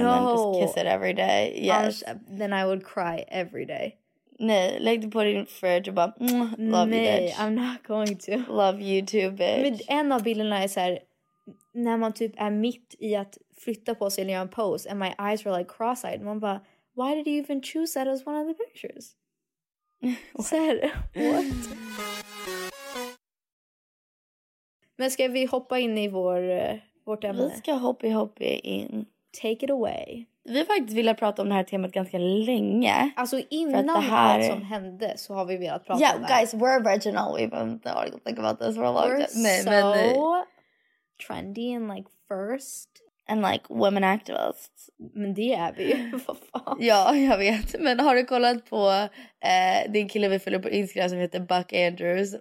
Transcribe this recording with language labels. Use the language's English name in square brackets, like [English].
[English] And then just kiss it every day. Yes. Then I would cry every day. [Swedish] Nej, lägg det på din fridge och bara, love nej, [English] you, bitch. I'm not going to. Love you too, bitch. [Swedish] Men en av bilderna är så här, när man typ är mitt i att flytta på sig eller göra en pose, [English] and my eyes were like cross-eyed. [Swedish] Man bara, [English] why did you even choose that as one of the pictures? [Swedish] Såhär, [English] what? [Swedish] Men ska vi hoppa in i vårt ämne? Vi ska hoppa in. [English] Take it away. [Swedish] Vi har faktiskt velat prata om det här temat ganska länge. Alltså innan det här... som hände så har vi velat prata om det. [English] Yeah, guys, we're original. We've been talking about this for a long time. Trendy and like first. And like women activists. [Swedish] Men det är vi. Ja, jag vet. Men har du kollat på din kille vi följer på Instagram som heter Buck Andrews?